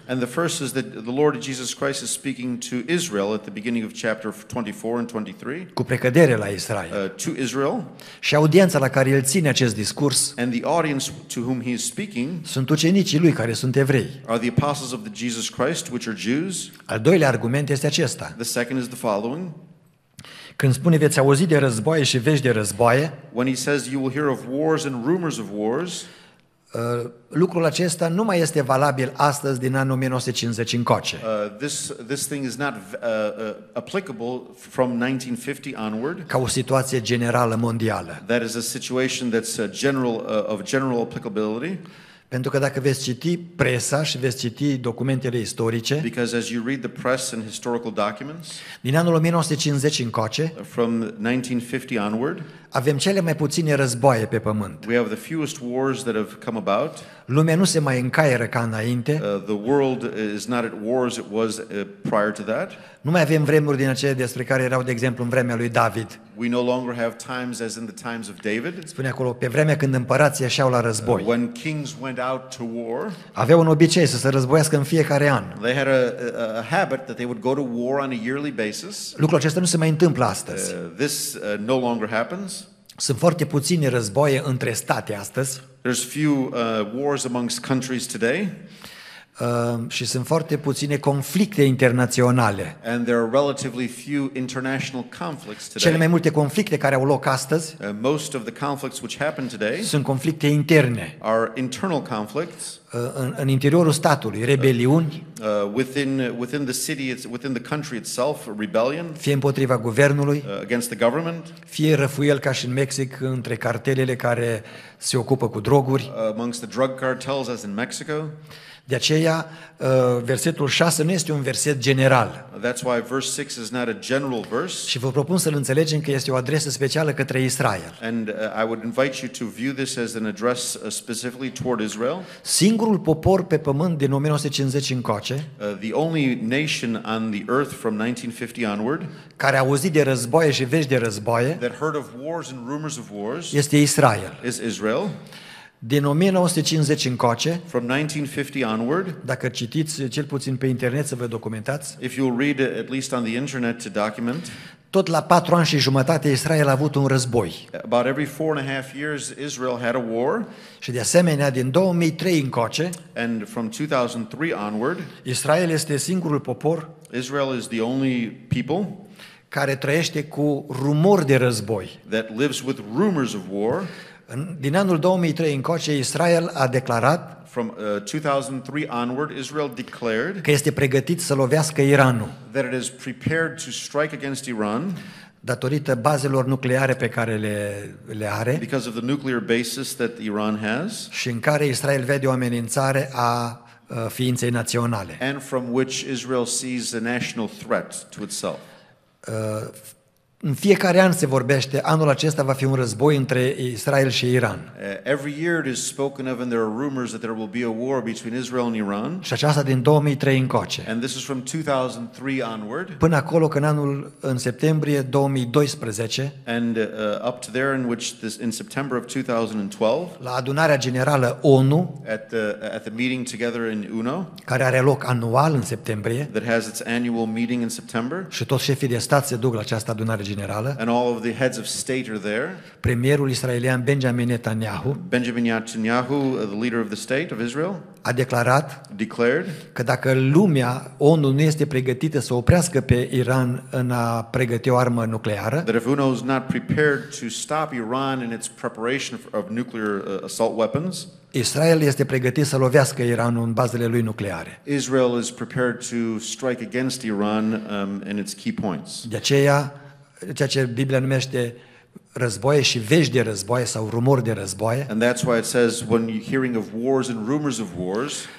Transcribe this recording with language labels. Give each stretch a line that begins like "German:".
English: And the first is that the Lord Jesus Christ is speaking to Israel at the beginning of chapter 24 and 23.
Romanian: Cu precădere la Israel.
English: To Israel.
Romanian: Și audiența la care el ține acest discurs.
English: And the audience to whom he is speaking.
Romanian: Sunt ucenicii lui care sunt evrei.
English: Are the apostles of the Jesus Christ which are Jews.
Romanian: Al doilea argument este acesta.
English: The second is the following.
Romanian: Când spune veți auzi de războaie și vești de războaie,
English: when he says you will hear of wars and rumors of wars,
Romanian: lucrul acesta nu mai este valabil astăzi din anul 1950 încoace.
English: This thing is not applicable from 1950 onward.
Romanian: Ca o situație generală mondială.
English: That is a situation that's of general applicability.
Romanian: Pentru că dacă veți citi presa și veți citi documentele istorice,
English: because as you read the press and historical documents,
Romanian: din anul 1950 încoace,
English: from 1950 onward,
Romanian: avem cele mai puține războaie pe pământ.
English: We have the fewest wars that have come about.
Romanian: Lumea nu se mai încaieră ca înainte.
English: The world is not at war as it was prior to that.
Romanian: Nu mai avem vremuri din acele despre care erau, de exemplu, în vremea lui David.
English: We no longer have times as in the times of David.
Romanian: Spune acolo, pe vremea când împărații ieșeau la război.
English: When kings went out to war.
Romanian: Aveau un obicei să se războiască în fiecare an.
English: They had a habit that they would go to war on a yearly basis.
Romanian: Lucrul acesta nu se mai întâmplă astăzi.
English: This no longer happens.
Romanian: Sunt foarte puține războaie între state astăzi.
English: There's few wars amongst countries today.
Romanian: Și sunt foarte puține conflicte internaționale.
English: And there are relatively few international conflicts today.
Romanian: Cele mai multe conflicte care au loc astăzi,
English: most of the conflicts which happen today,
Romanian: sunt conflicte interne.
English: Are internal conflicts.
Romanian: În interiorul statului, rebeliuni.
English: Within the city, within the country itself, rebellion.
Romanian: Fie împotriva guvernului.
English: Against the government.
Romanian: Fie răfuiel ca și în Mexic între cartelele care se ocupă cu droguri.
English: Amongst the drug cartels as in Mexico.
Romanian: De aceea, versetul 6 nu este un verset general.
English: That's why verse 6 is not a general verse.
Romanian: Și vă propun să-l înțelegem că este o adresă specială către Israel.
English: And I would invite you to view this as an address specifically toward Israel.
Romanian: Singurul popor pe pământ din 1950 încoace,
English: the only nation on the earth from 1950 onward,
Romanian: care a auzit de războaie și vești de războaie,
English: that heard of wars and rumors of wars,
Romanian: este Israel.
English: Is Israel.
Romanian: Din 1950 încoace,
English: from 1950 onward,
Romanian: dacă citiți cel puțin pe internet să vă documentați,
English: if you read at least on the internet to document,
Romanian: tot la 4 ani și jumătate Israel a avut un război.
English: About every 4.5 years Israel had a war.
Romanian: Și de asemenea din 2003 încoace,
English: and from 2003 onward,
Romanian: Israel este singurul popor,
English: Israel is the only people,
Romanian: care trăiește cu rumori de război.
English: That lives with rumors of war.
Romanian: Din anul 2003 încoace Israel a declarat
English: from 2003 onward Israel declared
Romanian: că este pregătit să lovească Iranul.
English: That it is prepared to strike against Iran
Romanian: datorită bazelor nucleare pe care le are.
English: Because of the nuclear basis that Iran has.
Romanian: Și în care Israel vede o amenințare a ființei naționale.
English: And from which Israel sees a national threat to itself.
Romanian: În fiecare an se vorbește, anul acesta va fi un război între Israel și Iran.
English: Every year it is spoken of and there are rumors that there will be a war between Israel and Iran.
Romanian: Și aceasta din 2003 încoace.
English: And this is from 2003 onward.
Romanian: Până acolo când anul în septembrie 2012.
English: And up to there in which this in September of 2012.
Romanian: La adunarea generală ONU.
English: At the meeting together in UNO.
Romanian: Care are loc anual în septembrie.
English: That has its annual meeting in September.
Romanian: Și toți șefii de stat se duc la această adunare generală.
English: And all of the heads of state are there.
Romanian: Premierul israelian Benjamin Netanyahu.
English: Benjamin Netanyahu, the leader of the state of Israel,
Romanian: a declarat
English: declared
Romanian: că dacă lumea ONU nu este pregătită să oprească pe Iran în a pregăti o armă nucleară,
English: that if UNO is not prepared to stop Iran in its preparation of nuclear assault weapons,
Romanian: Israel este pregătit să lovească Iranul în bazele lui nucleare.
English: Israel is prepared to strike against Iran in its key points.
Romanian: De aceea ceea ce Biblia numește războaie și vești de războaie sau rumori de războaie.
English: And that's why it says when you're hearing of wars and rumors of wars.